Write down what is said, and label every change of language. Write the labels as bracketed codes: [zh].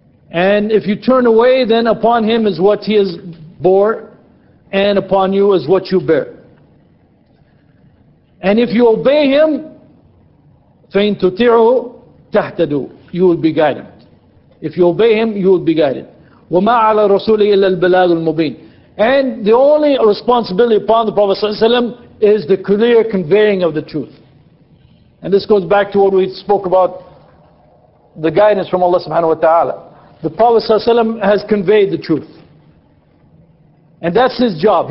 [en] And if you turn away, then upon him is what he has bore, and upon you is what you bear. And if you obey him, [ar] فَإِن تُطِعُهُ تهتدوا, [en] you will be guided. If you obey him, you will be guided. [ar] وما على الرسول إلا البلاغ المبين. [en] And the only responsibility upon the Prophet sallallahu alaihi wasallam is the clear conveying of the truth. And this goes back to what we spoke about, the guidance from Allah subhanahu wa ta'ala. The Prophet sallallahu alaihi wasallam has conveyed the truth. And that's his job.